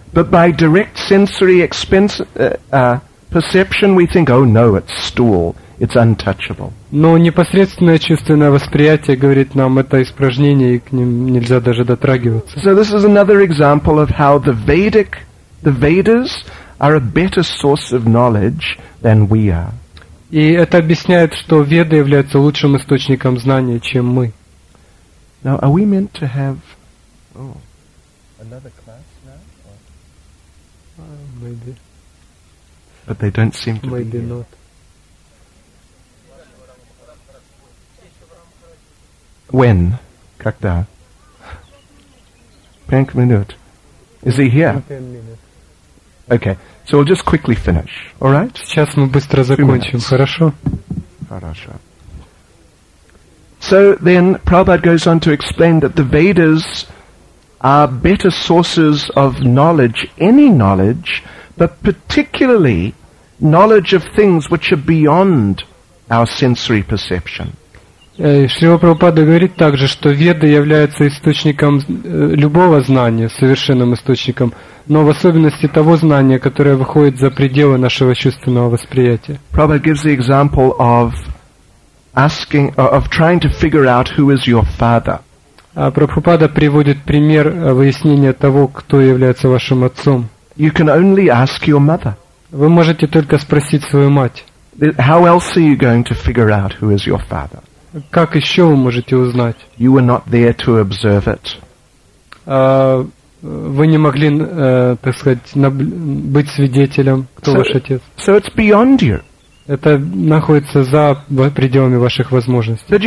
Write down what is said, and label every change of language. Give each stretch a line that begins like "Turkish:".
English: But by direct sensory perception, we think, oh no, it's stool, it's untouchable.
Russian: Но непосредственное чувственное восприятие говорит нам, это испражнение, и к ним нельзя даже дотрагиваться.
English: So this is another example of how the Vedas are a better source of knowledge than we are.
Russian: И это объясняет, что Веды являются лучшим источником знания, чем мы.
English: Now, are we meant to have... Oh. Another class now? Or? Maybe. But they don't seem to maybe be Maybe not. Here. When?
Russian: Когда?
English: 5 minutes. Is he here? 10 minutes. Okay. So we'll just quickly finish. All right?
Russian: Сейчас мы быстро закончим. Хорошо? Хорошо.
English: So then Prabhupada goes on to explain that the Vedas are better sources of knowledge, any knowledge, but particularly knowledge of things which are beyond our sensory perception.
Russian: Шрила Прабхупада говорит также, что Веды являются источником любого знания, совершенным источником, но в особенности того знания, которое выходит за пределы нашего чувственного восприятия.
English: Prabhupada gives the example of asking, of trying to figure out who is your father.
Russian: Прабхупада приводит пример выяснения того, кто является вашим отцом.
English: You can only ask your mother.
Russian: Вы можете только спросить свою мать.
English: How else are you going to figure out who is your father?
Russian: Как еще вы можете узнать?
English: You were not there to observe it.
Russian: Вы не могли, так сказать, быть свидетелем, кто ваш отец.
English: So it's beyond you.
Russian: Это находится за пределами ваших возможностей.